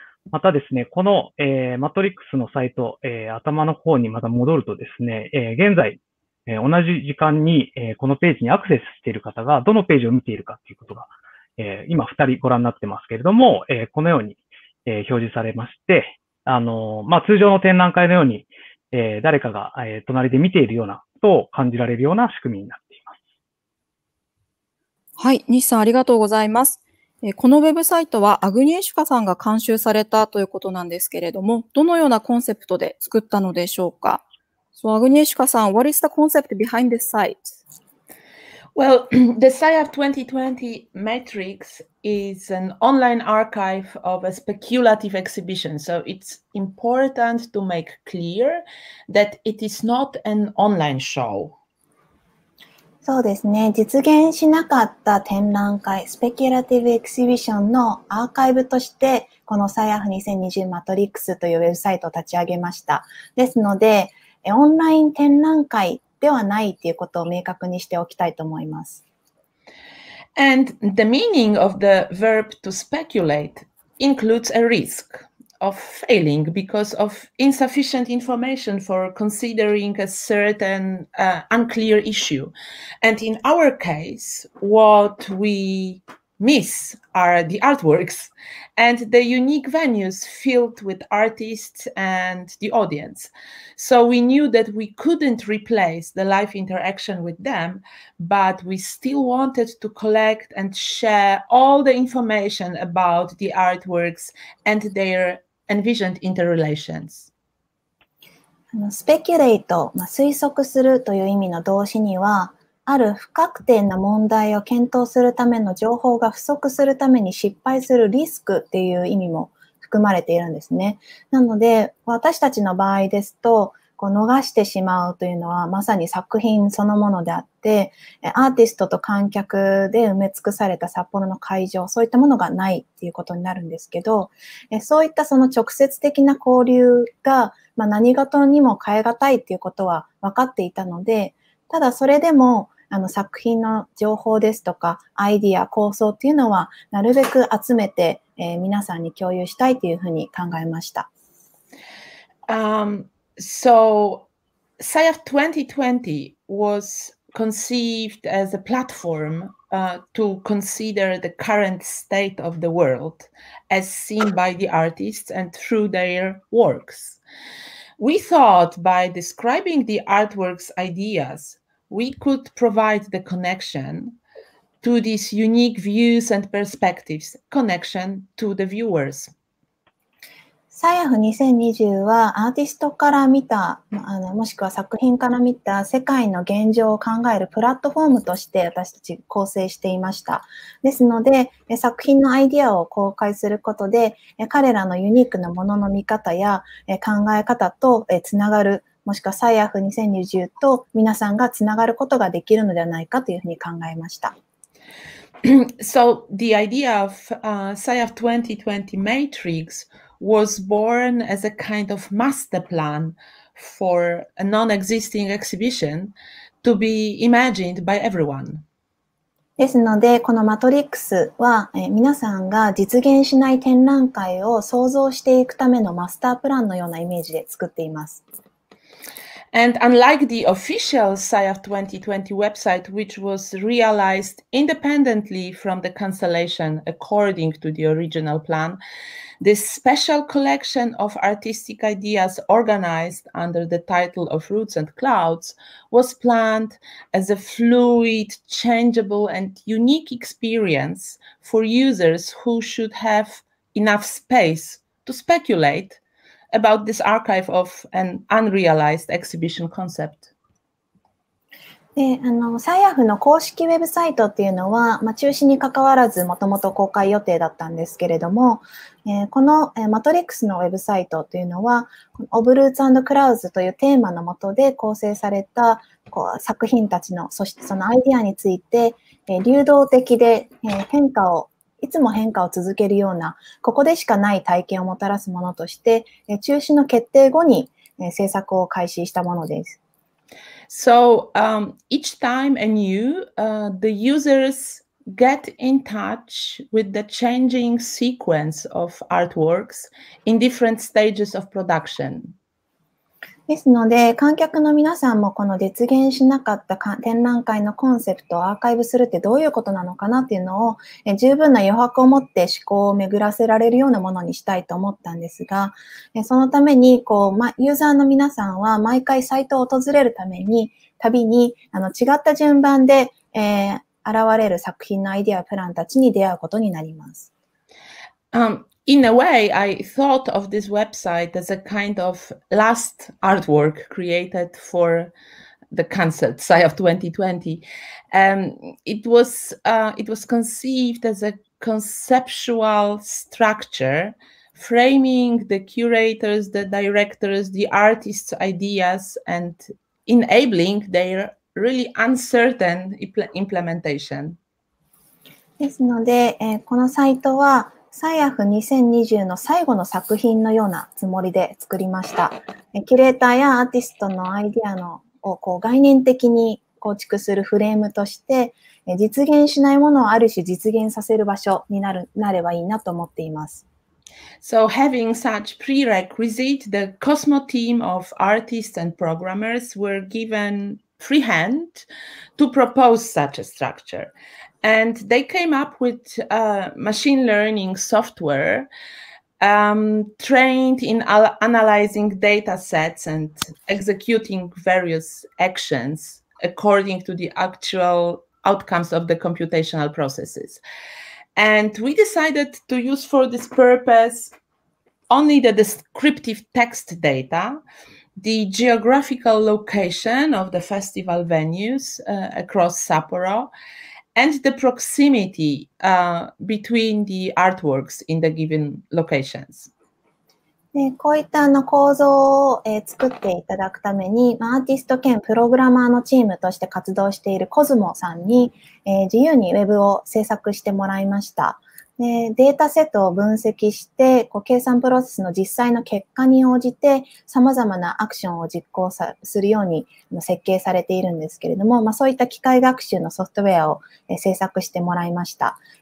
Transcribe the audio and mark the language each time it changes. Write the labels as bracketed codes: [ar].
[ja] またですね、この、マトリックスのサイト、頭の方にまた戻るとですね、現在、同じ時間に、このページにアクセスしている方がどのページを見ているかということが、今2人ご覧になってますけれども、このように、表示されまして、まあ、通常の展覧会のように、誰かが、隣で見ているようなと感じられるような仕組みになっています。はい、西さんありがとうございます。このウェブサイトはアグニエシュカさんが監修されたということなんですけれども、どのようなコンセプトで作ったのでしょうか。 [en] So, アグニエシュカさん、What is the concept behind this site? Well, the SIAF 2020 Matrix is an online archive of a speculative exhibition. So it's important to make clear that it is not an online show. [ja] そうですね。実現しなかった展覧会、スペキュラティブエキシビションのアーカイブとして、この SIAF2020 マトリックスというウェブサイトを立ち上げました。ですので、オンライン展覧会ではないということを明確にしておきたいと思います。 [en] And the meaning of the verb to speculate includes a risk of failing because of insufficient information for considering a certain unclear issue. And in our case, what we miss are the artworks and the unique venues filled with artists and the audience. So we knew that we couldn't replace the live interaction with them, but we still wanted to collect and share all the information about the artworks and their envisioned interrelations. [ja] スペキュレイト、まあ、推測するという意味の動詞には、ある不確定な問題を検討するための情報が不足するために失敗するリスクっていう意味も含まれているんですね。なので、私たちの場合ですと、こう逃してしまうというのはまさに作品そのものであって、アーティストと観客で埋め尽くされた札幌の会場、そういったものがないっていうことになるんですけど、そういったその直接的な交流が、まあ、何事にも変えがたいっていうことは分かっていたので、ただそれでも作品の情報ですとかアイディア、構想っていうのはなるべく集めて、皆さんに共有したいというふうに考えました。 [en] So, SIAF 2020 was conceived as a platform, to consider the current state of the world as seen by the artists and through their works. We thought by describing the artwork's ideas, we could provide the connection to these unique views and perspectives, connection to the viewers. [ja] SIAF 2020はアーティストから見た、もしくは作品から見た世界の現状を考えるプラットフォームとして私たち構成していました。ですので、作品のアイディアを公開することで、彼らのユニークなものの見方や考え方とつながる、もしくは SIAF 2020と皆さんがつながることができるのではないかというふうに考えました。 [en] So, the idea of SIAF 2020 Matrix was born as a kind of master plan for a non-existing exhibition to be imagined by everyone. [ja] ですので、このマトリックスは、皆さんが実現しない展覧会を想像していくためのマスタープランのようなイメージで作っています。 [en] And unlike the official SIAF 2020 website, which was realized independently from the cancellation according to the original plan, this special collection of artistic ideas organized under the title of Roots and Clouds was planned as a fluid, changeable and unique experience for users who should have enough space to speculateabout this archive of an unrealized exhibition concept. [ja] SIAF の公式ウェブサイトっていうのは、まあ、中止に関わらずもともと公開予定だったんですけれども、この、マトリックスのウェブサイトっていうのは、オブルーツ&クラウズというテーマのもとで構成されたこう作品たちの、そしてそのアイディアについて、流動的で、変化をいつも変化を続けるような、ここでしかない体験をもたらすものとして、中止の決定後に制作を開始したものです。 [en] So, each time anew, the users get in touch with the changing sequence of artworks in different stages of production. [ja] ですので、観客の皆さんもこの実現しなかった展覧会のコンセプトをアーカイブするってどういうことなのかなっていうのを十分な余白を持って思考を巡らせられるようなものにしたいと思ったんですが、そのためにこう、ま、ユーザーの皆さんは毎回サイトを訪れるために、たびに違った順番で、現れる作品のアイデア、プランたちに出会うことになります。 [en] In a way, I thought of this website as a kind of last artwork created for the concert, SIAF 2020. It was conceived as a conceptual structure, framing the curators, the directors, the artists' ideas, and enabling their really uncertain implementation. [ja] ですので、このサイトはSIAF 2020の最後の作品のようなつもりで作りました。キュレーターやアーティストのアイディアのをこう概念的に構築するフレームとして、実現しないものをある種実現させる場所になる、なればいいなと思っています。 [en] So having such prerequisite, the Cosmo team of artists and programmers were given free hand to propose such a structure. And they came up with a machine learning software trained in analyzing data sets and executing various actions according to the actual outcomes of the computational processes. And we decided to use for this purpose only the descriptive text data the geographical location of the festival venues across Sapporo and the proximity between the artworks in the given locations. [ja] こういったあの構造を作っていただくために、アーティスト兼プログラマーのチームとして活動しているコズモさんに自由にウェブを制作してもらいました。データセットを分析して、計算プロセスの実際の結果に応じて、様々なアクションを実行するように設計されているんですけれども、そういった機械学習のソフトウェアを制作してもらいました。